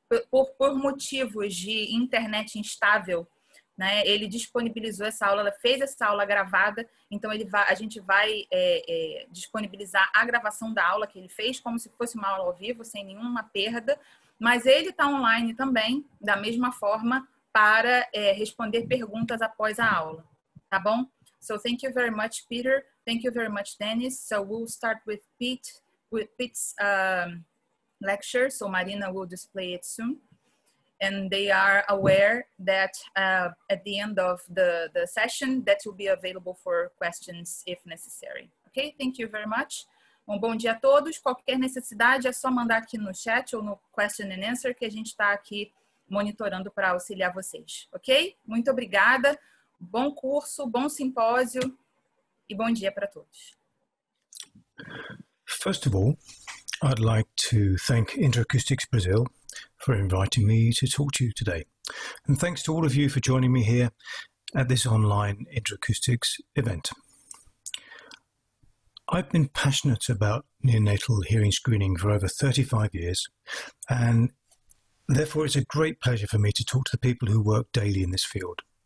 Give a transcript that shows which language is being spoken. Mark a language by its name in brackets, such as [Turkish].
[Portuguese] Por motivos de internet instável, né, ele disponibilizou essa aula, ela fez essa aula gravada, então a gente vai disponibilizar a gravação da aula que ele fez, como se fosse uma aula ao vivo, sem nenhuma perda, mas ele está online também, da mesma forma, para responder perguntas após a aula, tá bom? [English] So, thank you very much, Peter. Thank you very much, Dennis. So, we'll start with Pete, with Pete's lecture, so Marina will display it soon, and they are aware that at the end of the session that will be available for questions if necessary. Okay, thank you very much. [Portuguese] Um bom dia a todos. Qualquer necessidade é só mandar aqui no chat ou no [English] question and answer [Portuguese] que a gente está aqui monitorando para auxiliar vocês. Ok? Muito obrigada, bom curso, bom simpósio e bom dia para todos. [English] First of all, I'd like to thank Interacoustics Brazil for inviting me to talk to you today. And thanks to all of you for joining me here at this online Interacoustics event. I've been passionate about neonatal hearing screening for over 35 years, and therefore it's a great pleasure for me to talk to the people who work daily in this field.